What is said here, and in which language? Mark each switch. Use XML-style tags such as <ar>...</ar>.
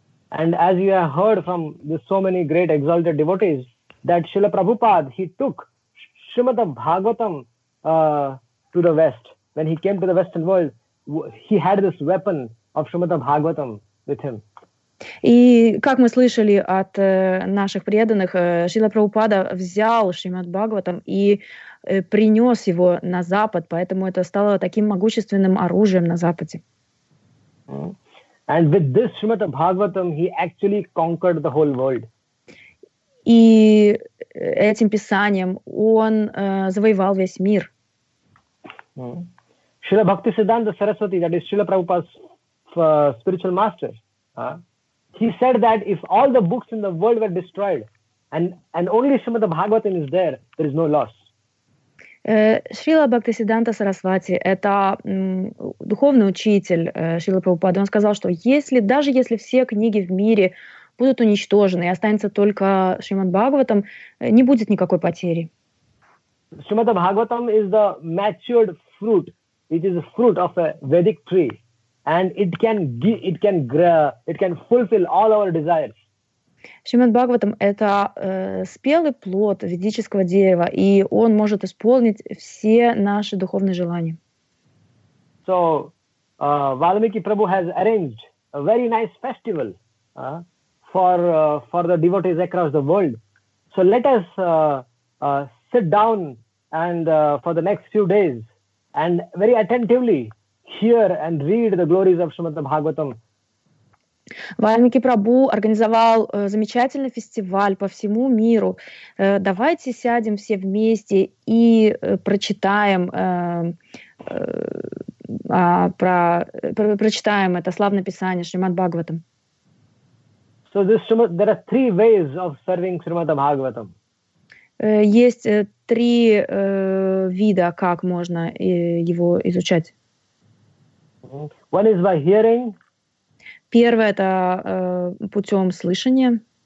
<en>And as you have heard from so many great exalted devotees, that Srila Prabhupada, he took Srimad Bhagavatam to the West. When he came to the Western world, he had this weapon of Srimad Bhagavatam with him.</en> <ru>И как мы слышали от наших преданных, Шрила Прабхупада взял Шримад Бхагаватам и принес его на Запад, поэтому это стало таким могущественным оружием на Западе.</ru> <en>And with this Shrimad Bhagavatam, he actually conquered the whole world.</en> <ru>И этим писанием он завоевал весь мир.</ru> <en>Шрила Бхакти Сиддханта Сарасвати, that is Шрила Прабхупада's spiritual master, he said that if all the books in the world were destroyed and only Shrimad Bhagavatam is there, there is no loss.</en> <ru>Шрила Бхактисиддханта Сарасвати — это духовный учитель Шрилы Прабхупады. Он сказал, что даже если все книги в мире будут уничтожены и останется только Шримад Бхагаватам, не будет никакой потери.</ru> <en>Шримад Бхагаватам —</en> <ru>это</ru> <en>matured fruit. It is a fruit of a Vedic tree. And it can fulfill all our desires.</en> <ru>Шримад Бхагаватам — это спелый плод ведического дерева, и он может исполнить все наши духовные желания.</ru> <en>So, Valmiki Prabhu has arranged a very nice festival for the devotees across the world. So let us sit down and for the next few days and very attentively hear and read the glories of Shrimad Bhagavatam.</en> <ru>Вальмики Прабу организовал замечательный фестиваль по всему миру. Давайте сядем все вместе и прочитаем прочитаем это славное писание Шримад Бхагаватам.</ru> <en>So there are three ways of serving Shrimad Bhagavatam.</en> <ru>Есть три вида, как можно его изучать.</ru> <en>One is by hearing.</en> <ru>Первое это путем слышания.</ru>